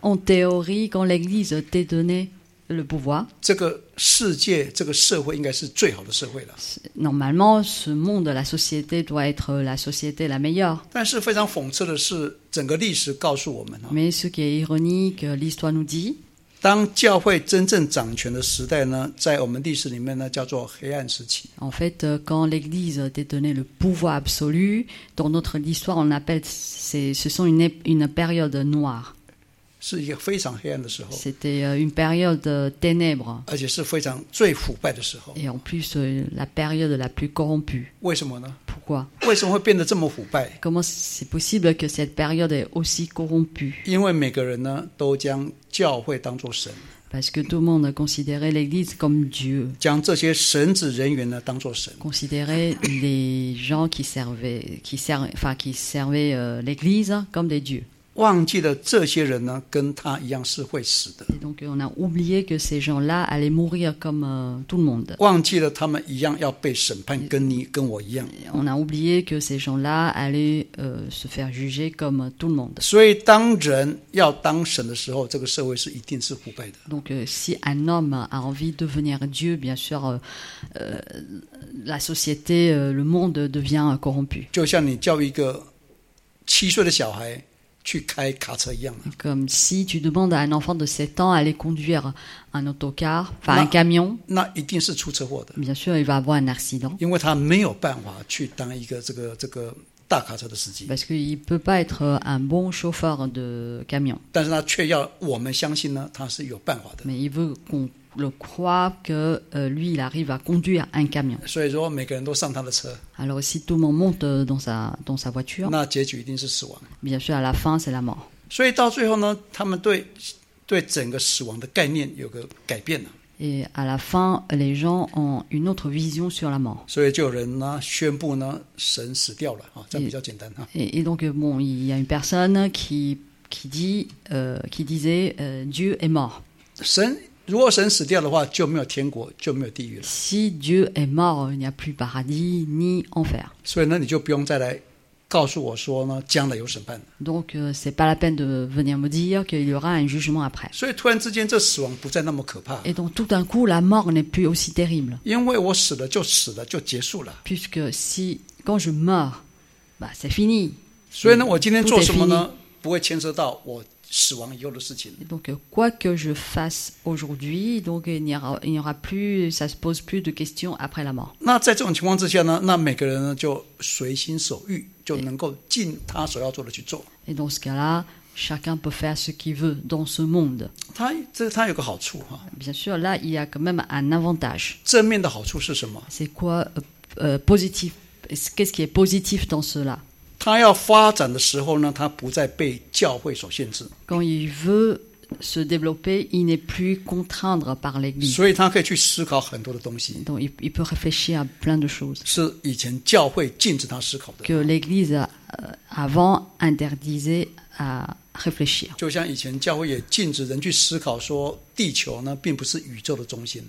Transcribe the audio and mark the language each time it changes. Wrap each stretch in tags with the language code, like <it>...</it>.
<fr>，en théorie, quand l'Église détenait le pouvoir,</fr> <zh>这个世界、这个社会应该是最好的社会了。</zh> <fr>Normalement, ce monde, la société doit être la société la meilleure.</fr> <zh>但是非常讽刺的是，整个历史告诉我们。</zh> <fr>Mais ce qui est ironique, l'histoire nous dit.</fr> <zh>当教会真正掌权的时代呢，在我们历史里面呢，叫做黑暗时期。</zh> <fr>En fait, quand l'Église détenait le pouvoir absolu, dans notre histoire, on appelle ce sont une période noire.</fr> <zh>是一个非常黑暗的时候。</zh> <fr>C'était une période ténèbres.</fr> <zh>而且是非常最腐败的时候。</zh> <fr>Et en plus, la période la plus corrompue.</fr> <zh>为什么呢？</zh> <fr>Pourquoi?</fr> <zh>为什么会变得这么腐败？</zh> <fr>Comment c'est possible que cette période est aussi corrompue?</fr> <zh>因为每个人呢，都将教会当作神。</zh> <fr>Parce que tout le monde considérait l'Église comme Dieu.</fr> <zh>将这些神职人员呢当作神。</zh> <fr>Considérait les gens qui servaient l'Église comme des dieux.</fr> <zh>忘记了这些人呢，跟他一样是会死的。</zh> <fr>Et donc on a oublié que ces gens-là allaient mourir comme tout le monde.</fr> <zh>忘记了他们一样要被审判，跟你跟我一样。</zh> <fr>On a oublié que ces gens-là allaient se faire juger comme tout le monde.</fr> <zh>所以当人要当神的时候，这个社会是一定是腐败的。</zh> <fr>Donc si un homme a envie de devenir Dieu, bien sûr, la société, le monde devient corrompu.</fr> <zh>就像你叫一个七岁的小孩。去开卡车一样。</zh> <fr>Comme si tu demandes à un enfant de 7 ans d'aller conduire un autocar, enfin un camion.</fr> <zh>那一定是出车祸的。</zh> <fr>Bien sûr, il va avoir un accident.</fr> <zh>因为他没有办法去当一个这个大卡车的司机。</zh> <fr>Parce qu'il peut pas être un bon chauffeur de camion.</fr> <zh>但是他却要我们相信呢，他是有办法的。</zh> <fr>Mais il veut qu'on le croie que lui, il arrive à conduire un camion.</fr> <zh>所以说，每个人都上他的车。</zh> <fr>Alors, si tout le monde monte dans sa voiture,</fr> <zh>那结局一定是死亡。</zh> <fr>Bien sûr, à la fin, c'est la mort.</fr> <zh>所以到最后呢，他们对整个死亡的概念有个改变了。</zh> <fr>Et à la fin, les gens ont une autre vision sur la mort.</fr> <zh>所以就有人呢宣布呢，神死掉了啊，这样比较简单啊。</zh> <fr>Et donc, bon, il y a une personne qui disait Dieu est mort.</fr> <zh>神如果神死掉的话，就没有天国，就没有地狱了。</zh> <fr>Si Dieu est mort, il n'y a plus paradis ni enfer.</fr> <zh>所以呢，你就不用再来告诉我说呢，将来有审判。</zh> <fr>Donc, c'est pas la peine de venir me dire qu'il y aura un jugement après.</fr> <zh>所以突然之间，这死亡不再那么可怕。</zh> <fr>Et donc, tout d'un coup, la mort n'est plus aussi terrible.</fr> <zh>因为我死了就死了，就结束了。</zh> <fr>Puisque si quand je meurs, bah c'est fini.</fr> <zh>所以呢，我今天做什么呢？不会牵涉到我。死亡以后的事情。</zh> <fr>Donc, quoi que je fasse aujourd'hui, donc, il n'y aura plus, ça se pose plus de questions après la mort.</fr> <zh>那在这种情况之下呢，那每个人呢就随心所欲，就能够尽他所要做的去做。</zh> <fr>Et dans ce cas-là, chacun peut faire ce qu'il veut dans ce monde.</fr> <zh>他有个好处哈。</zh> <fr>Bien sûr, là, il y a quand même un avantage.</fr> <zh>正面的好处是什么？</zh> <fr>C'est quoi, positif? Qu'est-ce qui est positif dans cela?</fr> <zh>他要发展的时候呢，他不再被教会所限制。</zh> <fr>Quand il veut se développer, il n'est plus contraint par l'Église.</fr> <zh>所以他可以去思考很多的东西。</zh> <fr>Donc il peut réfléchir à plein de choses.</fr> <zh>是以前教会禁止他思考的。</zh> <fr>Que l'Église avant interdisait à réfléchir.</fr> <zh>就像以前教会也禁止人去思考说地球呢并不是宇宙的中心。</zh>